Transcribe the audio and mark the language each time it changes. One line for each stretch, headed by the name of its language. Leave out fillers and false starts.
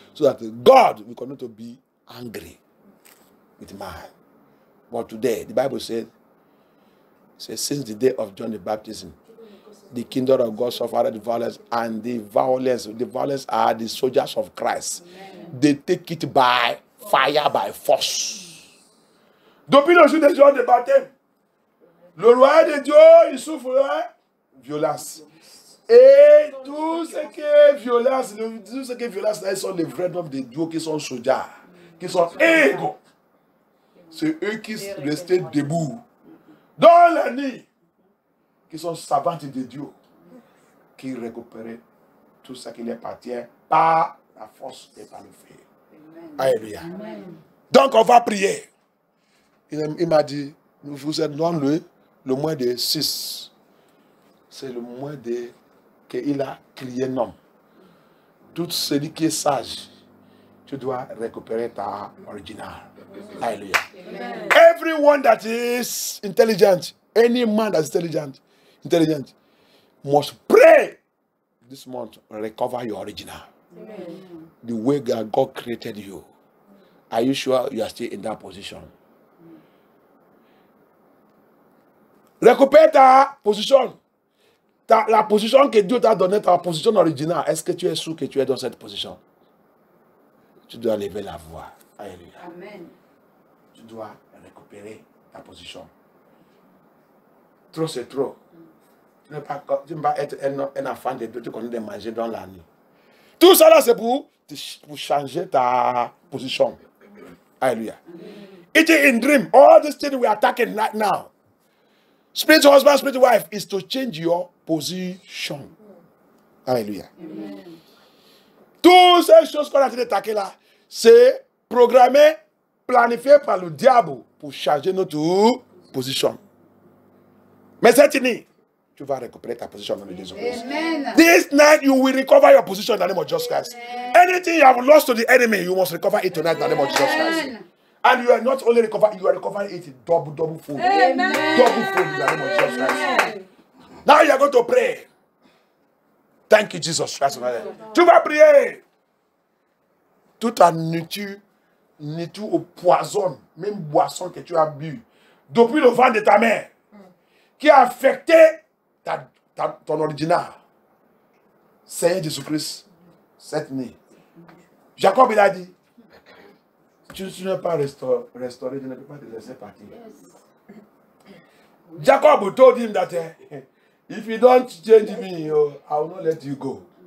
English: So that God will continue to be angry with man. But today, the Bible says, since the day of John the Baptist, the kingdom of God suffered violence, and the violence are the soldiers of Christ. Amen. They take it by fire, by force.
French: Depuis le jour de Jean de baptême, le roi de Dieu, il souffre violence. Et tout ce qui est violence, tout ce qui est violence, là, ils sont les vrais hommes de Dieu qui sont soldats, qui sont égaux. C'est eux qui restaient debout dans la nuit, qui sont servantes de Dieu, qui récupéraient tout ce qui leur appartient par la force et par le feu. Alléluia. Amen. Donc on va prier. Il m'a dit, nous vous êtes dans le mois de 6. C'est le mois de qu'il a crié l'homme. Tout celui qui est sage, tu dois récupérer ta original. Alléluia.
English: Everyone that is intelligent, any man that is intelligent, must pray this month, recover your original. Amen. The way that God created you. Are you sure you are still in that position?
French: Récupère ta position. La position que Dieu t'a donnée, ta position originale. Est-ce que tu es sûr que tu es dans cette position? Tu dois lever la voix. Alléluia. Amen. Tu dois récupérer ta position. Trop, c'est trop. Tu ne peux pas être un enfant de Dieu, tu connais de manger dans la nuit. Tout ça là, c'est pour changer ta position.
English: Alléluia. It is in dream. All these things we are attacking right now. Spirit husband, spirit wife is to change your position. Alléluia.
French: Tout ces choses qu'on a été attaqué là, c'est programmé, planifié par le diable pour changer notre position. Mais cette nuit, tu vas récupérer ta position dans le nom de Jésus Christ.
English: This night, you will recover your position in the name of Jesus Christ. Anything you have lost to the enemy, you must recover it tonight in the name of Jesus Christ. And you are not only recovering, you are recovering it double full. Double full in the name of Jesus Christ. Now you are going to pray. Thank you, Jesus Christ.
French: Tu vas prier. toute ta nourriture nettoie au poison, même boisson que tu as bu, depuis le ventre de ta mère, qui a affecté ton original. Seigneur Jésus-Christ, cette nuit. Jacob, il a dit, tu n'es pas restauré, tu ne peux pas te laisser partir.
English: Jacob told him that if you don't change me, I will not let you go.